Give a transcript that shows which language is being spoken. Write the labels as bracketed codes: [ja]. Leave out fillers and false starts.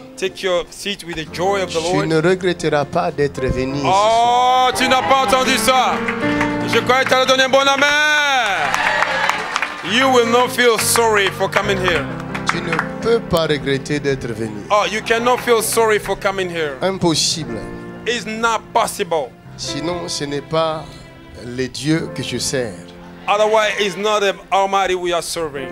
[en] Take your seat with the joy of the Lord. [fr] Tu ne regretteras pas d'être venu. Oh, tu n'as pas entendu ça. Je crois que tu allais donner un bon amen. [en] You will not feel sorry for coming here. [fr] Tu ne peux pas regretter d'être venu. [en] Oh, you cannot feel sorry for coming here. [fr] Impossible. [en] It's not possible. [fr] Sinon, ce n'est pas le Dieu que je sers. [en] Otherwise, it's not the Almighty we are serving.